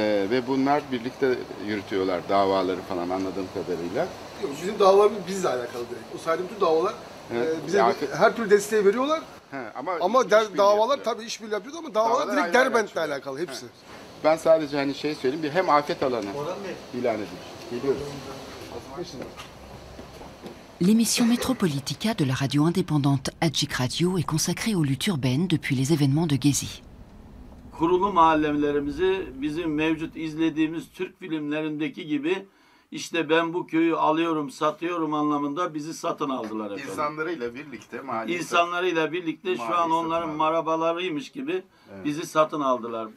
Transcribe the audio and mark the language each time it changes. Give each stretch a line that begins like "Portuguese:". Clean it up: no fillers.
Turkish: Ve bunlar birlikte yürütüyorlar davaları falan anladığım kadarıyla. Yok, bizim davalarımız bizle alakalı direkt. O saydığım tüm davalar bize her türlü desteği veriyorlar. Ama davalar tabii işbirliği yapıyor ama davalar direkt Derbent'le alakalı hepsi. Ben sadece hani şey söyleyeyim, bir hem afet alanı ilan edilmiş. Geliyoruz.
French: L'émission Metropolitica de la radio indépendante Adjik Radio est consacrée aux luttes urbaines depuis les événements de Gezi.
Turkish: Kurulu mahallelerimizi bizim mevcut izlediğimiz Türk filmlerindeki gibi işte ben bu köyü alıyorum, satıyorum anlamında bizi satın aldılar efendim. İnsanlarıyla birlikte maalesef. İnsanlarıyla birlikte maalesef, şu an onların marabalarıymış gibi bizi satın aldılar.